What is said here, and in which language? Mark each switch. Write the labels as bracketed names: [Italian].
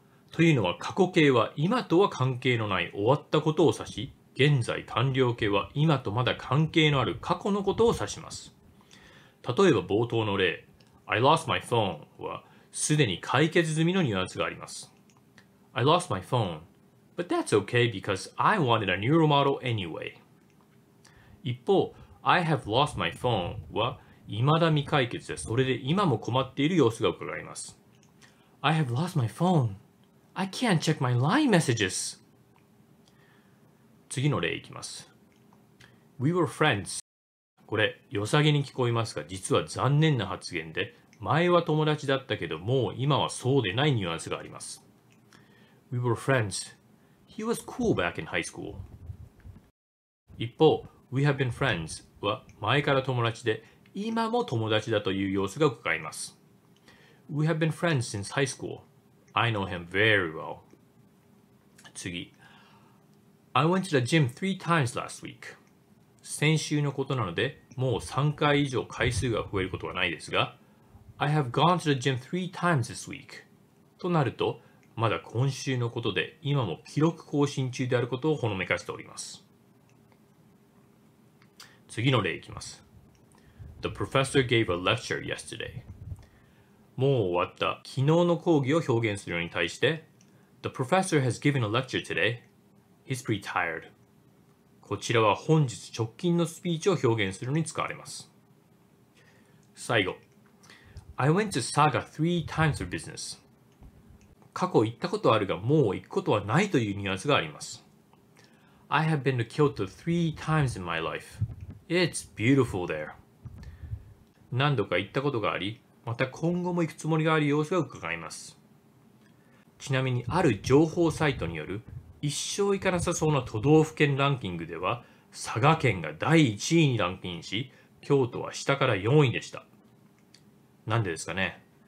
[Japanese] というのは、過去形は今とは関係のない終わったことを指し、現在完了形は今とまだ関係のある過去のことを指します。例えば冒頭の例、 [English] I lost my phone [Japanese] は、すでに解決済みのニュアンスがあります。 [English] I lost my phone, but that's okay because I wanted a newer model anyway. [Japanese] 一方、 [English] I have lost my phone [Japanese] は、未だ未解決で、それで今も困っている様子が伺います。 [English] I have lost my phone. I can't check my LINE messages. [Japanese] 次の例いきます。 [English] We were friends. [Japanese] これ、良さげに聞こえますが、実は残念な発言で、前は友達だったけど、もう今はそうでないニュアンスがあります。 [English] We were friends. He was cool back in high school. [Japanese] 一方、 [English] We have been friends [Japanese] は前から友達で、今も友達だという様子が伺います。 [English] We have been friends since high school. I know him very well. 次、I went to the gym 3 times last week. [Japanese] 先週のことなので、もう3回以上回数が増えることはないですが、 [English] I have gone to the gym 3 times this week. [Japanese] となると、まだ今週のことで今も記録更新中であることをほのめかしております。次の例いきます。 [English] The professor gave a lecture yesterday. [Japanese] もう終わった昨日の講義を表現するのに対して、 [English] The professor has given a lecture today. He's pretty tired. [Japanese] こちらは本日直近のスピーチを表現するに使われます。 [English] 最後、I went to Saga 3 times for business. [Japanese] 過去行ったことあるが、もう行くことはないというニュアンスがあります。 [English] I have been to Kyoto 3 times in my life. It's beautiful there. [Japanese] 何度か行ったことがあり、また今後も行くつもりがある様子が伺えます。ちなみに、ある情報サイトによる一生行かなさそうな都道府県ランキングでは、佐賀県が第1位にランキングし、京都は下から4位でした。なんでですかね。